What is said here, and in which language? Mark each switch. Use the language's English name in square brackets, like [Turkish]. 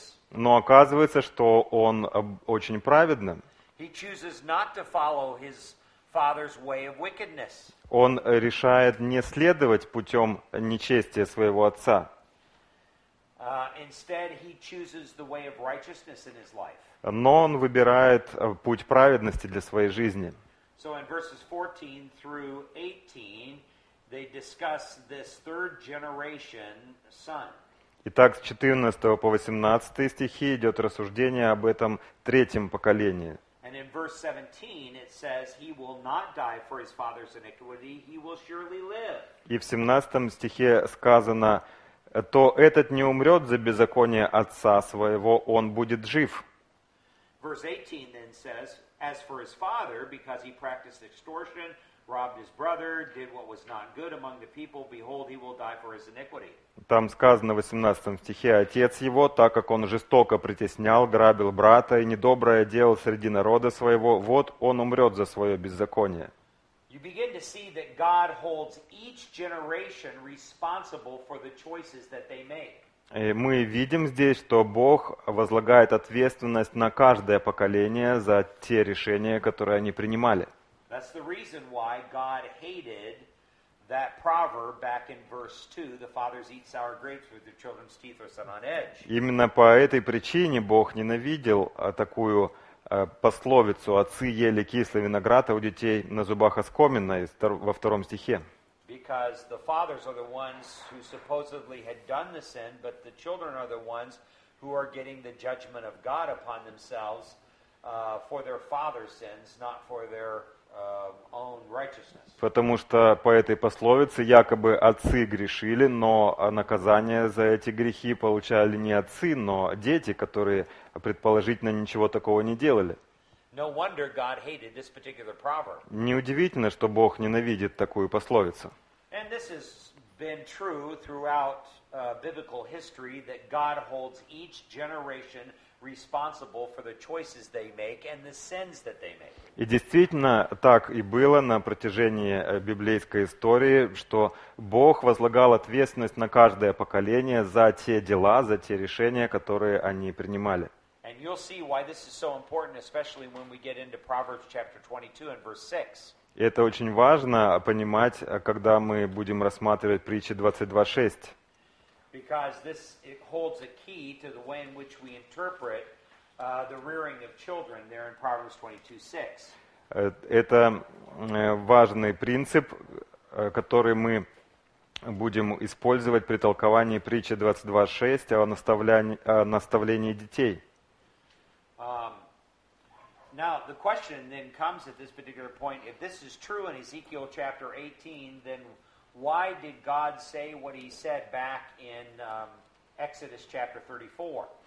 [Russian] Но оказывается, что он очень праведный. Он решает не следовать путем нечестия своего отца. [English] Instead, he chooses the way of righteousness in his life. [Russian] Но он выбирает путь праведности для своей жизни. [English] So in verses 14 through 18, they discuss this third generation son. [Russian] Итак, с 14 по 18 стихи идет рассуждение об этом третьем поколении. [English] And in verse 17, it says, he will not die for his father's iniquity, he will surely live. [Russian] И в 17 стихе сказано, то этот не умрет за беззаконие отца своего, он будет жив. [English] Verse 18 then says, as for his father, because he practiced extortion, robbed his brother, did what was not good among the people, behold, he will die for his iniquity. [Russian] Там сказано в 18 стихе, отец его, так как он жестоко притеснял, грабил брата и недоброе делал среди народа своего, вот он умрет за свое беззаконие. [English] You begin to see that God holds each generation responsible for the choices that they make. [Russian] И мы видим здесь, что Бог возлагает ответственность на каждое поколение за те решения, которые они принимали. [English] That's the reason why God hated that proverb back in verse 2, the fathers eat sour grapes with their children's teeth are set on edge. [Russian] Именно по этой причине Бог ненавидел такую пословицу «Отцы ели кислый виноград, а у детей на зубах оскомина» во втором стихе. [English] Because the fathers are the ones who supposedly had done the sin, but the children are the ones who are getting the judgment of God upon themselves for their father's sins, not for their own righteousness. [Russian] Потому что по этой пословице якобы отцы грешили, но наказание за эти грехи получали не отцы, но дети, которые предположительно ничего такого не делали. [English] No wonder God hated this particular proverb. [Russian] Неудивительно, что Бог ненавидит такую пословицу. [English] And this has been true throughout biblical history that God holds each generation responsible for the choices they make and the sins that they make. [Russian] И действительно так и было на протяжении библейской истории, что Бог возлагал ответственность на каждое поколение за те дела, за те решения, которые они принимали. [English] And you'll see why this is so important, especially when we get into Proverbs chapter 22 and verse 6. [Russian] Это очень важно понимать, когда мы будем рассматривать притчи 22:6. [English] Because this it holds a key to the way in which we interpret the rearing of children there in Proverbs 22:6. [Russian] Это важный принцип, который мы будем использовать при толковании притчи 22:6 о наставлении детей. [English] Now the question then comes at this particular point: if this is true in Ezekiel chapter 18, then why did God say what He said back in Exodus chapter 34?